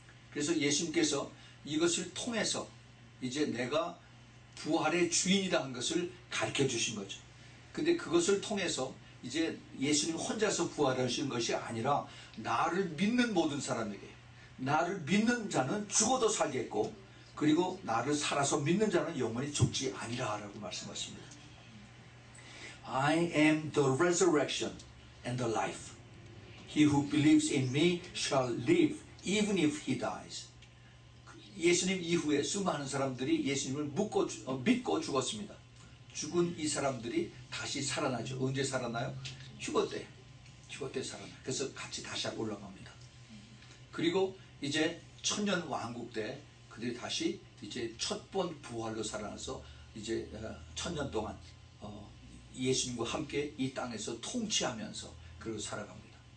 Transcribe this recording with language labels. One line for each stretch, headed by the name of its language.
Korean: 그래서 예수님께서 이것을 통해서 이제 내가 부활의 주인이다 한 것을 가르쳐 주신 거죠. 근데 그것을 통해서 이제 예수님 혼자서 부활하신 것이 아니라 나를 믿는 모든 사람에게 나를 믿는 자는 죽어도 살겠고 그리고 나를 살아서 믿는 자는 영원히 죽지 아니라 라고 말씀하십니다.
English: I am the resurrection and the life. He who believes in me shall live even if he dies.
Korean: 예수님 이후에 수많은 사람들이 예수님을 믿고 죽었습니다. 죽은 이 사람들이 다시 살아나죠. 언제 살아나요? 휴거 때 살아나요. 그래서 같이 다시 올라갑니다. 그리고 이제 천년 왕국 때 그들이 다시 이제 첫 번 부활로 살아나서 이제 천년 동안 예수님과 함께 이 땅에서 통치하면서 그리고 살아갑니다.